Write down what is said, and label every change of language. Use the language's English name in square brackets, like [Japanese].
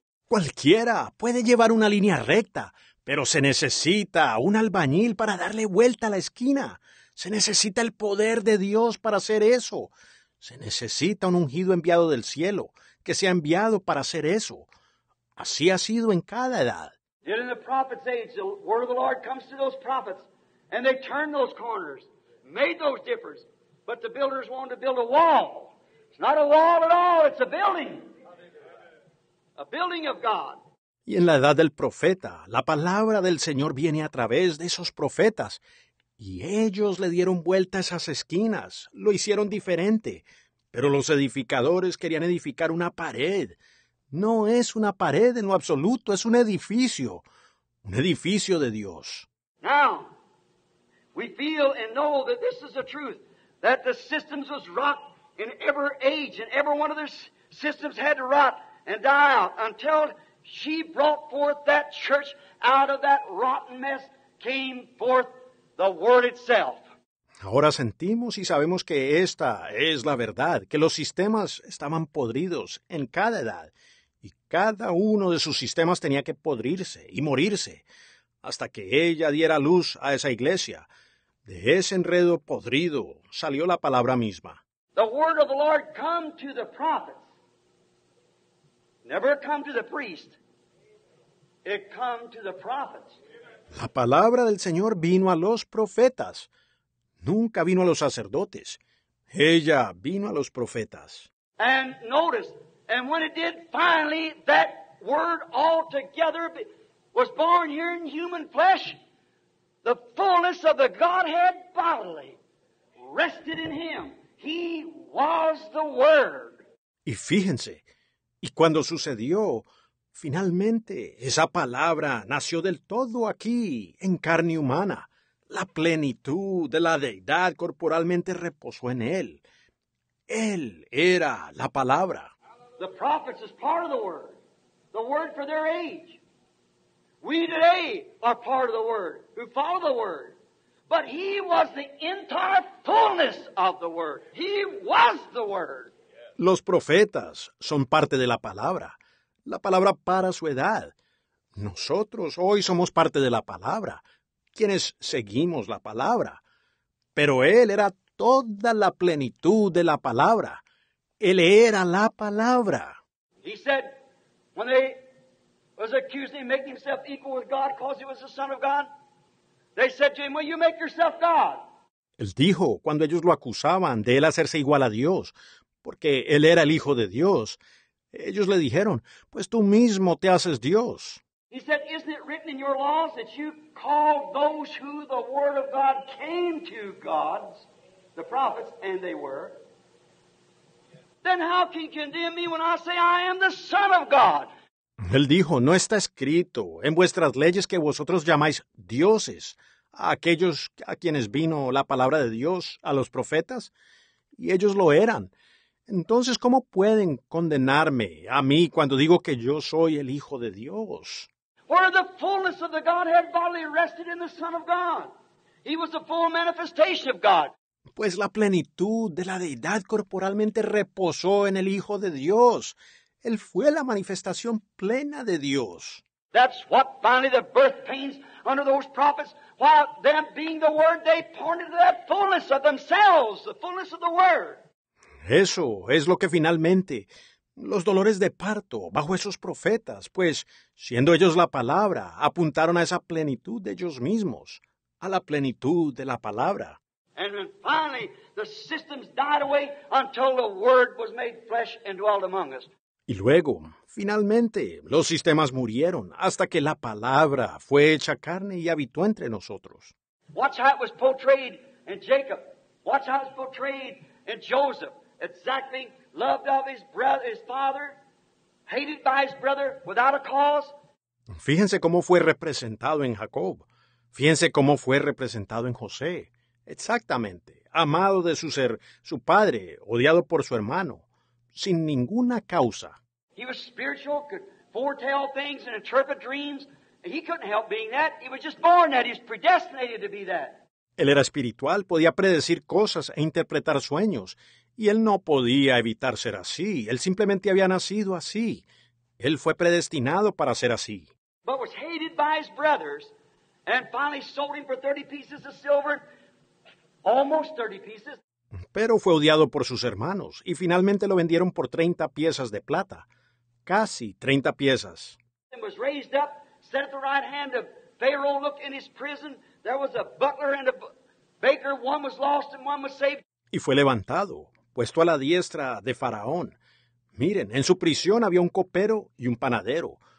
[Spanish] Cualquiera puede llevar una línea recta, pero se necesita un albañil para darle vuelta a la esquina. Se necesita el poder de Dios para hacer eso. Se necesita un ungido enviado del cielo que sea enviado para hacer eso. Así ha sido en cada edad. [English] In the prophet's age, the word of the Lord comes to those prophets, and they turn those corners, made those differences. But the builders wanted to build a wall. It's not a wall at all, it's a building. A building of God. [Spanish] Y en la edad del profeta, la palabra del Señor viene a través de esos profetas. Y ellos le dieron vuelta a esas esquinas, lo hicieron diferente. Pero los edificadores querían edificar una pared. No es una pared en lo absoluto, es un edificio de Dios. [English] Now, we feel and know that this is the truth, that the systems was rocked in every age, and every one of their systems had to rot and die out until she brought forth that church out of that rotten mess, came forth the word itself. [Spanish] Ahora sentimos y sabemos que esta es la verdad, que los sistemas estaban podridos en cada edad. y cada uno de sus sistemas tenía que podrirse y morirse hasta que ella diera luz a esa iglesia. De ese enredo podrido salió la palabra misma. [English] The word of the Lord come to the prophet. Never come to the priest. It come to the prophets. [Spanish] La palabra del Señor vino a los profetas. Nunca vino a los sacerdotes. Ella vino a los profetas. [English] And notice, and when it did, finally, that word altogether was born here in human flesh. The fullness of the Godhead bodily rested in him. He was the Word. [Spanish] Y fíjense, y cuando sucedió, finalmente, esa palabra nació del todo aquí, en carne humana. La plenitud de la Deidad corporalmente reposó en él. Él era la palabra. [English] The prophets is part of the Word for their age. We today are part of the Word, who follow the Word. But he was the entire fullness of the Word. He was the Word. [Spanish] Los profetas son parte de la palabra para su edad. Nosotros hoy somos parte de la palabra, quienes seguimos la palabra. Pero él era toda la plenitud de la palabra. Él era la palabra. [English] He said, when they was accusing him, making himself equal with God, because he was the Son of God, they said to him, well, you make yourself God. [Spanish] Él dijo, cuando ellos lo acusaban de él hacerse igual a Dios, porque él era el Hijo de Dios, ellos le dijeron, pues tú mismo te haces Dios. [English] He said, isn't it written in your laws that you call those who the Word of God came to gods, the prophets, and they were? Then how can you condemn me when I say I am the Son of God? [Spanish] Él dijo, no está escrito en vuestras leyes que vosotros llamáis dioses a aquellos a quienes vino la palabra de Dios, a los profetas, y ellos lo eran. Entonces, ¿cómo pueden condenarme a mí cuando digo que yo soy el Hijo de Dios? [English] Where the fullness of the Godhead bodily rested in the Son of God. He was the full manifestation of God. [Spanish] Pues la plenitud de la Deidad corporalmente reposó en el Hijo de Dios. Él fue la manifestación plena de Dios. [English] That's what finally the birth pains under those prophets, while them being the Word, they pointed to that fullness of themselves, the fullness of the Word. [Spanish] Eso es lo que finalmente los dolores de parto bajo esos profetas, pues siendo ellos la palabra, apuntaron a esa plenitud de ellos mismos, a la plenitud de la palabra. [English] And then finally the systems died away until the Word was made flesh and dwelt among us. [Spanish] Y luego, finalmente, los sistemas murieron hasta que la palabra fue hecha carne y habitó entre nosotros. [English] Watch how it was portrayed in Jacob. Watch how it was portrayed in Joseph. Exactly loved of his brother, his father, hated by his brother without a cause. [Spanish] Fíjense cómo fue representado en Jacob. Fíjense cómo fue representado en José. Exactamente, amado de su padre, odiado por su hermano. Sin ninguna causa. [English] He was spiritual, could foretell things and interpret dreams. He couldn't help being that. He was just born that. He was predestinated to be that. [Spanish] Él era espiritual, podía predecir cosas e interpretar sueños. Y él no podía evitar ser así. Él simplemente había nacido así. Él fue predestinado para ser así. [English] But was hated by his brothers and finally sold him for 30 pieces of silver, almost 30 pieces. [Spanish] Pero fue odiado por sus hermanos, y finalmente lo vendieron por 30 piezas de plata. Casi 30 piezas. [English] And was raised up, set at the right hand of Pharaoh, looked in his prison. There was a butler and a baker. One was lost and one was saved. [Spanish] Y fue levantado, puesto a la diestra de Faraón. Miren, en su prisión había un copero y un panadero.